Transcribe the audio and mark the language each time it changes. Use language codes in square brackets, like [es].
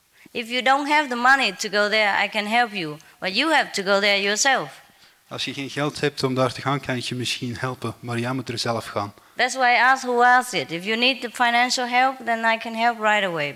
[en] If you don't have the money to go there, I can help you. But you have to go there yourself. [nl] Als je geen geld hebt om daar te gaan, kan ik je misschien helpen. Maar jij moet er zelf gaan. [en] That's why I asked who asked it. If you need the financial help, then I can help right away.